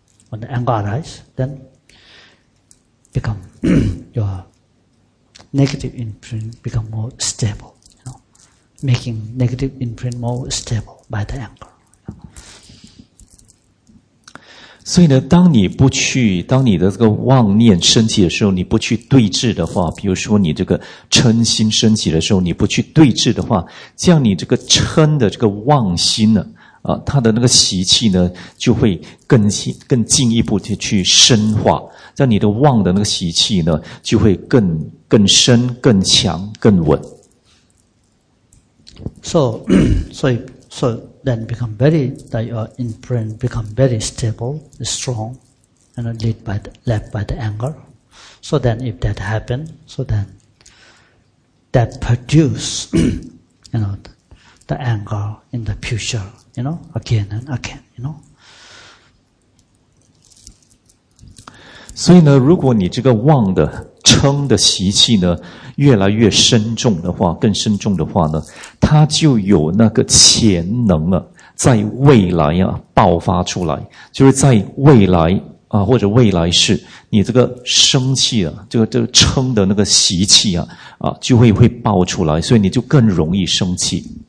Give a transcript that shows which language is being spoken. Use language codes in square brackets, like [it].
[en] When the anger arise, then become your negative imprint become more stable, you know, making negative imprint more stable by the anger. [zh] 所以呢，当你的这个妄念升起的时候，你不去对峙的话，比如说你这个嗔心升起的时候，你不去对峙的话，这样你这个嗔的这个妄心呢，它的那个习气呢，就会更进一步去深化，这样你的妄的那个习气呢，就会更深、更强、更稳。 [en] So then become very, that your imprint become very stable, strong, and led by the anger. So then if that happen, so then that produce, you know, the anger in the future, you know, again and again, you know. [zh] 所以呢，如果你这个妄的嗔的习气呢越来越深重的话，更深重的话呢，它就有那个潜能啊，在未来啊爆发出来，就是在未来啊或者未来世，你这个生气啊，这个嗔的那个习气啊就会爆出来，所以你就更容易生气。